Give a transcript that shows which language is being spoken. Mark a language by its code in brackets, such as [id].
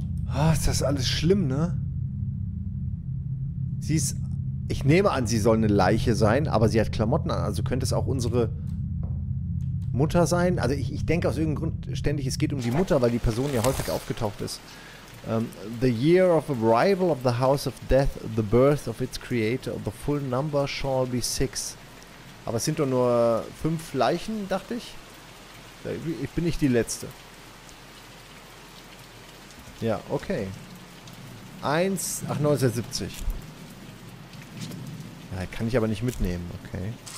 [de] Das ist alles schlimm, ne? Sie ist... Ich nehme an, sie soll eine Leiche sein, aber sie hat Klamotten an. Also könnte es auch unsere Mutter sein. Also ich denke aus irgendeinem Grund ständig, es geht um die Mutter, weil die Person ja häufig aufgetaucht ist. [en] The year of arrival of the house of death, the birth of its creator, the full number shall be 6. [de] Aber es sind doch nur 5 Leichen, dachte ich. Ich bin nicht die Letzte. Ja, okay. 1870. Ja, kann ich aber nicht mitnehmen, okay.